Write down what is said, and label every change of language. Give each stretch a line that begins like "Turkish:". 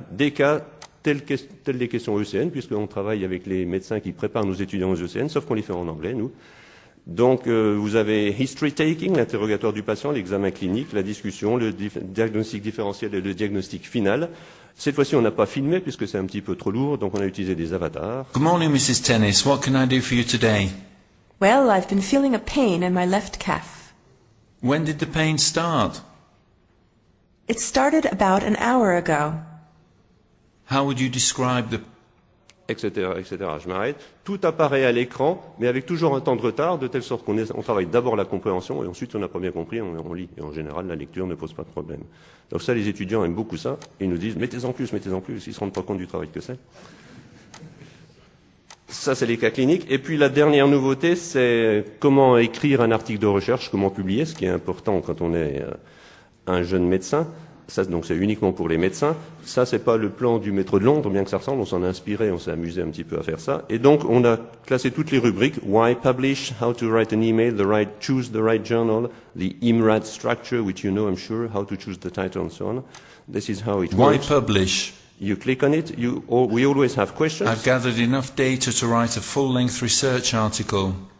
French: Des cas telles les questions ECN, puisqu'on travaille avec les médecins qui préparent nos étudiants aux ECN, sauf qu'on les fait en anglais, nous. Donc, vous avez history taking, l'interrogatoire du patient, l'examen clinique, la discussion, le diagnostic différentiel et le diagnostic final. Cette fois-ci, on n'a pas filmé puisque c'est un petit peu trop lourd, donc on a utilisé des avatars.
English: Good morning, Mrs. Tennis. What can I do for you today? Well, I've been feeling a pain in my left calf. When did the pain start? It started about an hour ago. How would you describe the...
French: etc., etc. Je m'arrête. Tout apparaît à l'écran, mais avec toujours un temps de retard, de telle sorte qu'on travaille d'abord la compréhension, et ensuite, si on n'a pas bien compris, on lit. Et en général, la lecture ne pose pas de problème. Donc ça, les étudiants aiment beaucoup ça. Ils nous disent, mettez-en plus, ils ne se rendent pas compte du travail que c'est. Ça, c'est les cas cliniques. Et puis, la dernière nouveauté, c'est comment écrire un article de recherche, comment publier, ce qui est important quand on est un jeune médecin. Ça, donc c'est uniquement pour les médecins. Ça, c'est pas le plan du maître de Londres, bien que ça ressemble. On s'en a inspiré, on s'est amusé un petit peu à faire ça. Et donc, on a classé toutes les rubriques.
English: Why publish, how to write an email, choose the right journal, the IMRAD structure, which you know, I'm sure, how to choose the title and so on. This is how it works. Why publish? You click on it. We always have questions. I've gathered enough data to write a full-length research article.